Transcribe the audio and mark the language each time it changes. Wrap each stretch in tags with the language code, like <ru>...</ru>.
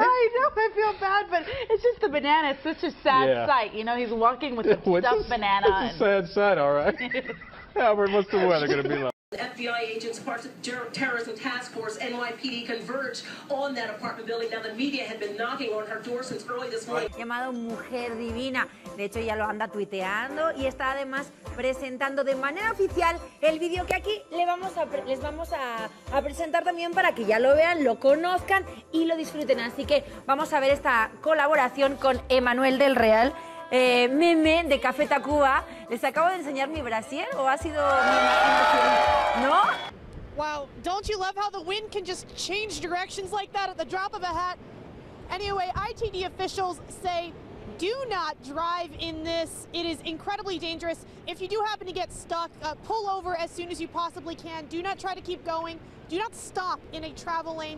<en>I know, I feel bad, but it's just the banana. It's such a sad sight. You know, he's walking with the stuffed banana. It's a sad sight, all right. Albert, what's the weather going to be like? FBI agents, part of terrorism task force, NYPD, converged on that apartment building. Now, the media had been knocking on her door since early this morning.</en> <es>Llamado Mujer Divina. De hecho, ya lo anda tuiteando y está además presentando de manera oficial el video que aquí les vamos a presentar también para que ya lo vean, lo conozcan y lo disfruten. Así que vamos a ver esta colaboración con Emmanuel del Real. Meme de Café Tacuba, les acabo de enseñar mi brasier o ha sido mi imaginación, ¿no?</es> <en>Wow, don't you love how the wind can just change directions like that at the drop of a hat? Anyway, ITD officials say do not drive in this. It is incredibly dangerous. If you do happen to get stuck, pull over as soon as you possibly can. Do not try to keep going. Do not stop in a travel lane.</en>